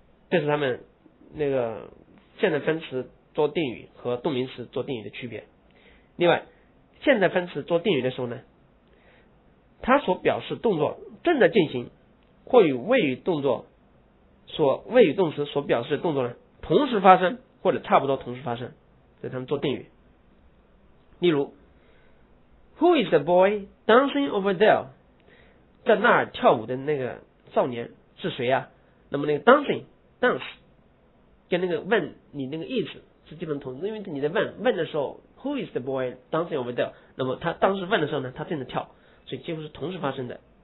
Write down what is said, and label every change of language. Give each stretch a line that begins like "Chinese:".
Chinese: 这是他们那个现在分词做定语和动名词做定语的区别。另外现在分词做定语的时候呢，它所表示动作正在进行，或与谓语动作所谓语动词所表示的动作呢同时发生，或者差不多同时发生，所以他们做定语。
English: 例如 Who is the boy dancing over there?
Chinese: 在那儿跳舞的那个少年是谁啊？那么那个 dance 跟那个问你那个 is 是基本同，因为你在问的时候
English: Who is the boy dancing over there?
Chinese: 那么他当时问的时候呢他正在跳，所以几乎是同时发生的。